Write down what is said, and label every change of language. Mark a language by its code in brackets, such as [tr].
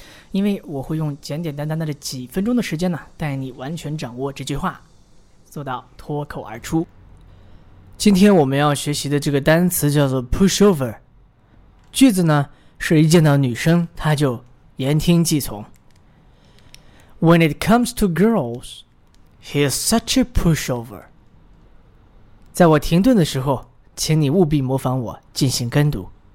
[zh] 因为我会用简简单单的几分钟的时间呢，带你完全掌握这句话，做到脱口而出。今天我们要学习的这个单词叫做 pushover。句子呢，是一见到女生，她就言听计从。 [en] When it comes to girls, he is such a pushover. [zh] 在我停顿的时候，请你务必模仿我进行跟读。